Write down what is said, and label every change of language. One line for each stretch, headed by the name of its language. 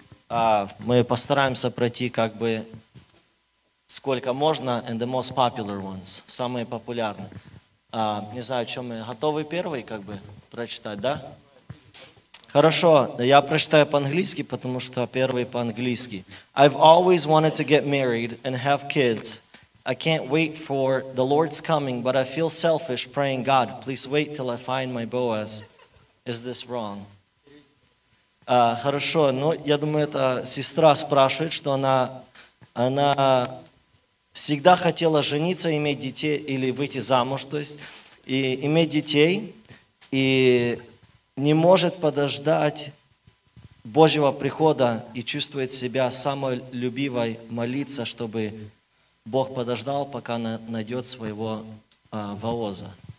Russian: Мы постараемся пройти как бы... сколько можно,
English: and the most popular ones,
Russian: самые популярные. Не знаю, что мы готовы первый как бы прочитать, да? Хорошо, я прочитаю по-английски, потому что первый по-английски.
English: I've always wanted to get married and have kids. I can't wait for the Lord's coming, but I feel selfish praying, God, please wait till I find my Boaz. Is this wrong?
Russian: Хорошо, ну, я думаю, это сестра спрашивает, что она всегда хотела жениться, иметь детей или выйти замуж, то есть, и иметь детей, и не может подождать Божьего прихода и чувствует себя самолюбивой молиться, чтобы Бог подождал, пока найдет своего Боаза.